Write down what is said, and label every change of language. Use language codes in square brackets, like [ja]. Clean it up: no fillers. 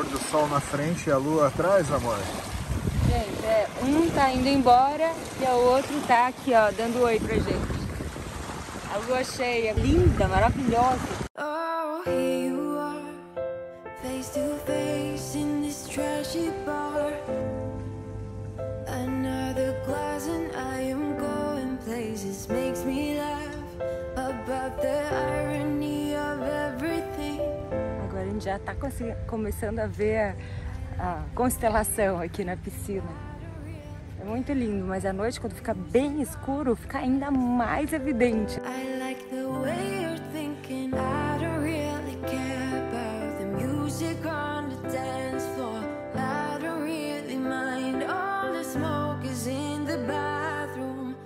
[pt] sol na frente e a lua atrás, amor? Gente, um tá indo embora e o outro tá aqui, ó, dando oi pra gente. A lua cheia, linda, maravilhosa. [en] Oh, here you are, face to face in this trashy bar. Another glass and I am going places. Makes me laugh about the irony of everything. [pt] Agora a gente já tá começando a ver a constelação aqui na piscina. É muito lindo, mas à noite, quando fica bem escuro, fica ainda mais evidente. [en] I like the way you're thinking. I don't really care about the music on the dance floor. I don't really mind. All the smoke is in the bathroom.